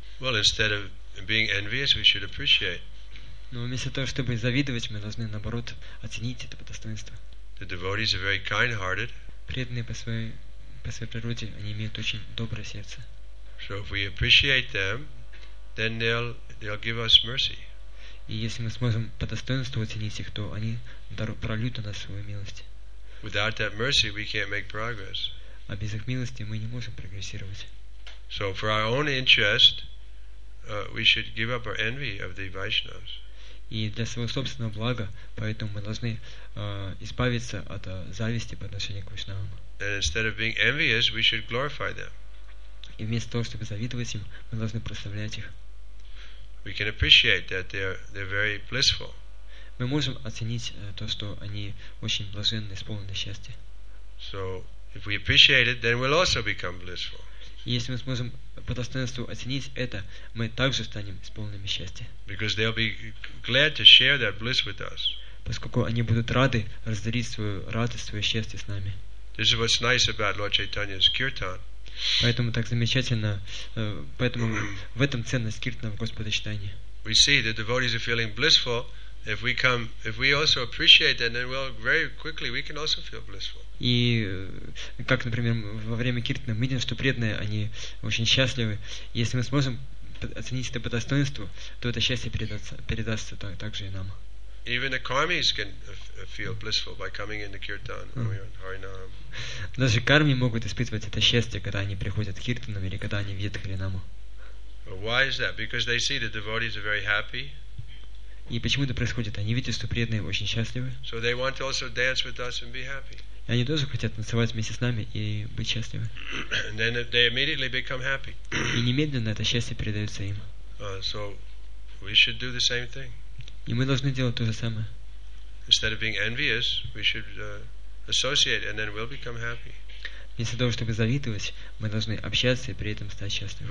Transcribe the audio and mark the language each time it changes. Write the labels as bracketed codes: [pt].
[en] Well, instead of being envious, we should appreciate. [ru] Но вместо того, чтобы завидовать, мы должны наоборот оценить это достоинство. [en] The devotees are very kind-hearted. [ru] Преданные по своей природе, они имеют очень доброе сердце. [en] So if we appreciate them, then they'll give us mercy. [ru] И если мы сможем по достоинству оценить их, то они прольют на нас свою милость. [en] Without that mercy, we can't make progress. [ru] А без их милости мы не можем прогрессировать. [en] So for our own interest, we should give up our envy of the Vaishnavas. [ru] И для своего собственного блага, поэтому мы должны избавиться от зависти по отношению к Вайшнавам. [en] And instead of being envious, we should glorify them. [ru] И вместо того, чтобы завидовать им, мы должны прославлять их. [en] We can appreciate that they're very blissful. [ru] Мы можем оценить то, что они очень блаженны, исполнены счастья. [en] So if we appreciate it, then we'll also become blissful. [ru] Если мы сможем по достоинству оценить это, мы также станем исполненными счастья. [en] Because they'll be glad to share their bliss with us. [ru] Поскольку они будут рады разделить свою радость, свое счастье с нами. [en] This is what's nice about Lord Chaitanya's kirtan. [ru] Поэтому так замечательно, поэтому в этом ценность киртана Господа Чайтаньи. [en] We see the devotees are feeling blissful. If we also appreciate that, then well, very quickly we can also feel blissful. [ru] И как, например, во время киртана мы видим, что преданные, они очень счастливы. Если мы сможем оценить это по достоинству, то это счастье передастся так же и нам. [en] Even the karmis can feel blissful by coming into kirtan or harinam. [ru] Даже карми могут испытывать это счастье, когда они приходят к киртанам или когда они видят харинаму. [en] Why is that? Because they see that devotees are very happy. [ru] И почему это происходит? Они видят, что преданные очень счастливы. [en] So they want to also dance with us and be happy. [ru] Они тоже хотят танцевать вместе с нами и быть счастливы. [en] And then they immediately become happy. [ru] И немедленно это счастье передается им. [en] So we should do the same thing. [ru] И мы должны делать то же самое. [en] Instead of being envious, we should associate and then we'll become happy. [ru] Вместо того, чтобы завидовать, мы должны общаться и при этом стать счастливыми.